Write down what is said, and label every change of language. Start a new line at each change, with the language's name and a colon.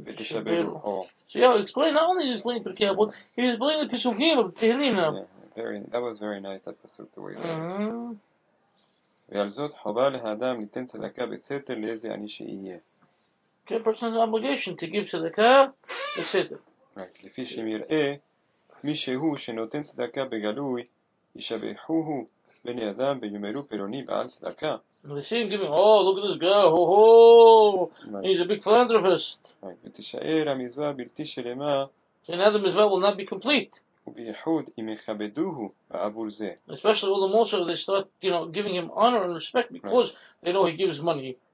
English: So, yeah, it's clear, not only is he explaining Perqe Abot, he is explaining the Pesukim of Tehillim now. That was very nice, that Pesuk, the way that.
Hebrew: ועל זאת חובה לאדם ליתן צדקה בסתר לאיזה אני שיהיה.
English: Okay, person's obligation to give
Hebrew: צדקה בסתר. Right, לפי שמראה, מי שהוא שנותן צדקה בגלוי, ישבחוהו בני אדם ויאמרו פלוני בעל צדקה.
English: They see him giving, oh, look at this guy, ho-ho, he's a big philanthropist.
Hebrew: Right, ותישאר המזווה בלתי שלמה.
English: So now the מזווה will not be complete. Especially all the more so they start, you know, giving him honor and respect because they know he gives money.